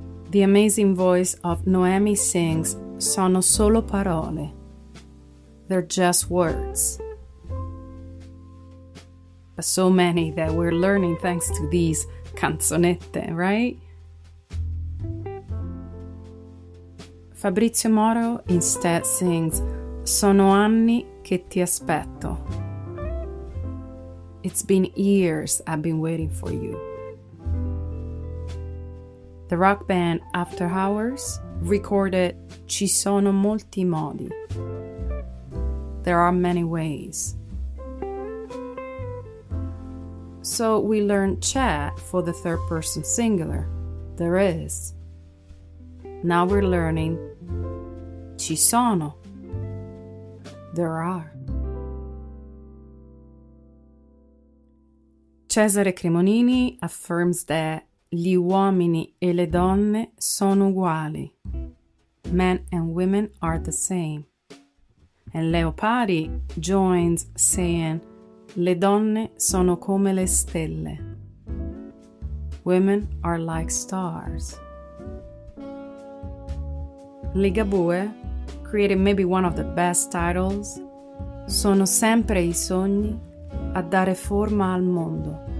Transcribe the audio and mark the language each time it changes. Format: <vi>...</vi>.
<en>The amazing voice of Noemi sings Sono solo parole. They're just words. But so many that we're learning thanks to these canzonette, right? Fabrizio Moro instead sings Sono anni che ti aspetto. It's been years I've been waiting for you. The rock band After Hours</en> <it>ricorda, ci sono molti modi.</it> <en>There are many ways. So we learn c'è for the third person singular. There is. Now we're learning ci sono. There are. Cesare Cremonini affirms that</en> <it>gli uomini e le donne sono uguali.</it> <en>Men and women are the same. And Leopardi joins saying</en> <it>le donne sono come le stelle.</it> <en>Women are like stars. Ligabue created maybe one of the best titles.</en> <it>Sono sempre I sogni a dare forma al mondo.</it>